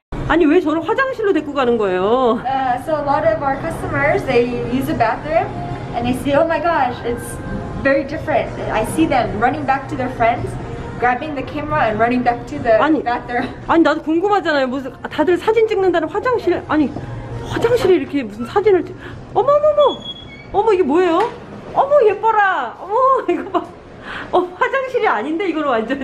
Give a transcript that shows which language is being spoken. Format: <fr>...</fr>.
<ko>아니 왜 저를 화장실로 데리고 가는 거예요?</ko> <en>So a lot of our customers, they use the bathroom and they say, oh my gosh, it's very different. I see them running back to their friends, grabbing the camera and running back to the bathroom.</en> <ko>아니 나도 궁금하잖아요. 무슨 다들 사진 찍는다는 화장실? 아니 화장실에 이렇게 무슨 사진을 찍? 어머머머! 어머 이게 뭐예요? 어머 예뻐라! 어머 이거 봐. 화장실이 아닌데 이걸 완전히.</ko>